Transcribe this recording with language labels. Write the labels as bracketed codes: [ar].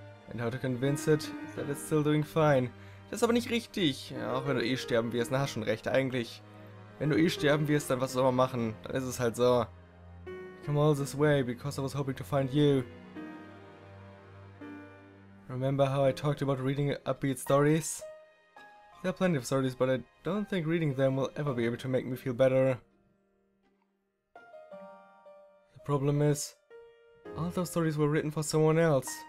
[en] And how to convince it that it's still doing fine. [de] Das ist aber nicht richtig. Ja, auch wenn du eh sterben wirst. Na, hast schon recht, eigentlich. Wenn du eh sterben wirst, dann was soll man machen? Dann ist es halt so. [en] I came all this way because I was hoping to find you. Remember how I talked about reading upbeat stories? There are plenty of stories, but I don't think reading them will ever be able to make me feel better. The problem is, all those stories were written for someone else.